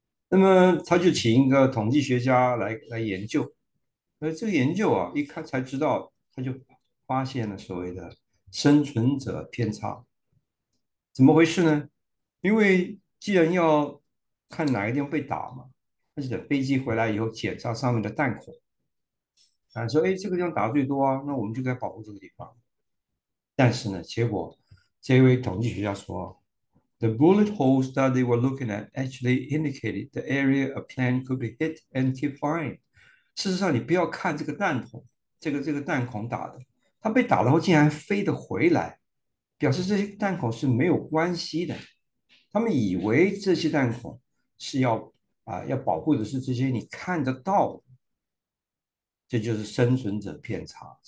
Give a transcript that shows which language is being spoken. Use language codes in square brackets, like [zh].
[zh] 那么他就请一个统计学家来研究，而这个研究啊，一看才知道，他就发现了所谓的生存者偏差，怎么回事呢？因为既然要看哪个地方被打嘛。而且飞机回来以后检查上面的弹孔，说这个地方打的最多啊，那我们就该保护这个地方。 [en] 但是呢，结果这位统计学家说， The bullet holes that they were looking at actually indicated the area a plane could be hit and keep flying。 [zh] 事实上，你不要看这个弹孔，这个弹孔打的，它被打了后竟然飞得回来，表示这些弹孔是没有关系的。他们以为这些弹孔是要保护的是这些你看得到的，这就是生存者偏差。